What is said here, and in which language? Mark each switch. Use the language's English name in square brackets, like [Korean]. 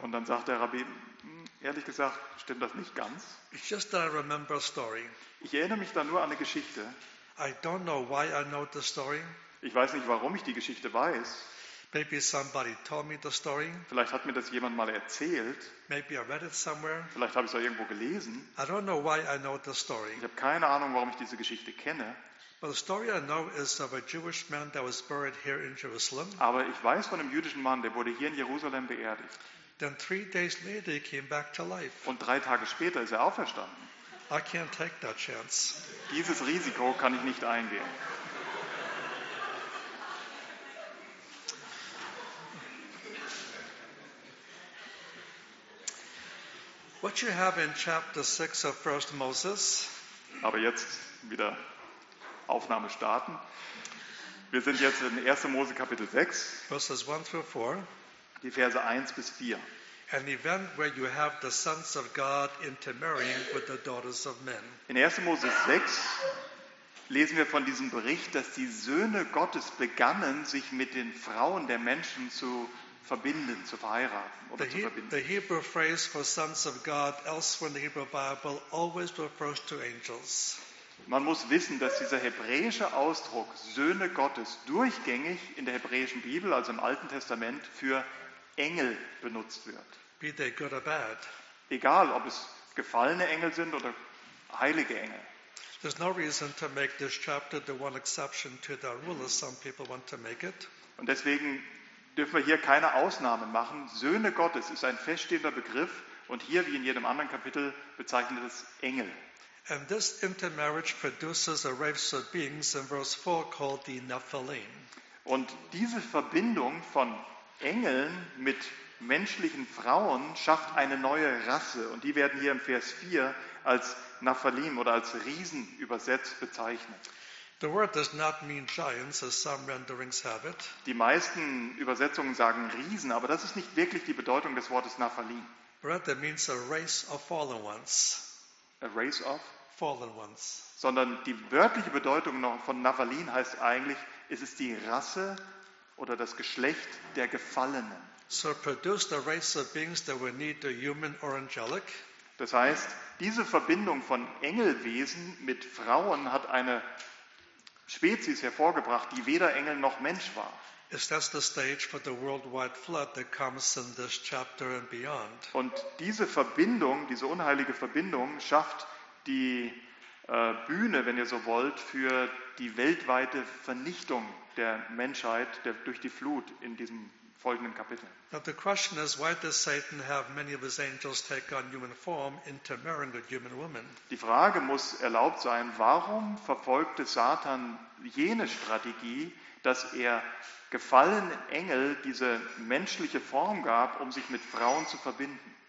[German] Und dann sagt der Rabbi, ehrlich gesagt, stimmt das nicht ganz. [English] It's just that I remember a story. [German] Ich erinnere mich da nur an eine Geschichte. [English] I don't know why I know the story. [German] Ich weiß nicht, warum ich die Geschichte weiß. [English] Maybe somebody told me the story. [German] Vielleicht hat mir das jemand mal erzählt. [English] Maybe I read it somewhere. [German] Vielleicht habe ich es auch irgendwo gelesen. [English] I don't know why I know the story. [German] Ich habe keine Ahnung, warum ich diese Geschichte kenne. [English] But the story I know is of a Jewish man that was buried here in Jerusalem. [German] Aber ich weiß von einem jüdischen Mann, der wurde hier in Jerusalem beerdigt. [English] Then 3 days later he came back to life. [German] Und 3 Tage später ist er auferstanden. [English] I can't take that chance. [German] Dieses Risiko kann ich nicht eingehen. [English] What you have in chapter 6 of 1 Moses. [German] Aber jetzt wieder Aufnahme starten. Wir sind jetzt in 1. Mose Kapitel 6. [English] Verses 1 through 4. [German] Die Verse 1 bis 4. [English] An event where you have the sons of God intermarrying with the daughters of men. [German] In 1. Mose 6 lesen wir von diesem Bericht, dass die Söhne Gottes begannen, sich mit den Frauen der Menschen zu verbinden, zu verheiraten oder zu verbinden. [English] The Hebrew phrase for sons of God elsewhere in the Hebrew Bible always refers to angels. [German] Man muss wissen, dass dieser hebräische Ausdruck Söhne Gottes durchgängig in der hebräischen Bibel, also im Alten Testament, für Engel benutzt wird. [English] Be they good or bad. [German] Egal, ob es gefallene Engel sind oder heilige Engel. [English] There's no reason to make this chapter the one exception to the rule, as some people want to make it. [German] Und deswegen dürfen wir hier keine Ausnahmen machen. Söhne Gottes ist ein feststehender Begriff und hier, wie in jedem anderen Kapitel, bezeichnet es Engel. [English] And this intermarriage produces a race of beings in verse 4 called the Nephilim. [German] Und diese Verbindung von Engeln mit menschlichen Frauen schafft eine neue Rasse und die werden hier im Vers 4 als Nephilim oder als Riesen übersetzt bezeichnet. [English] The word does not mean giants, as some renderings have it. [German] Die meisten Übersetzungen sagen Riesen, aber das ist nicht wirklich die Bedeutung des Wortes Nephilim. [English] Rather means a race of fallen ones. A race of fallen ones. [German] Sondern die wörtliche Bedeutung von Nephilim heißt eigentlich, es ist die Rasse oder das Geschlecht der Gefallenen. [English] So produced a race of beings that were neither human or angelic. [German] Das heißt, diese Verbindung von Engelwesen mit Frauen hat eine Spezies hervorgebracht, die weder Engel noch Mensch war. [English] Is that the stage for the worldwide flood that comes in this chapter and beyond? [German] Und diese Verbindung, diese unheilige Verbindung, schafft die Bühne, wenn ihr so wollt, für die weltweite Vernichtung der Menschheit durch die Flut in diesem folgenden Kapitel. [English] Now the question is, why does Satan have many of his angels take on human form, intermarrying with human women? [German] Die Frage muss erlaubt sein: Warum verfolgte Satan jene Strategie, dass er gefallenen Engel diese menschliche Form gab, um sich mit Frauen zu verbinden?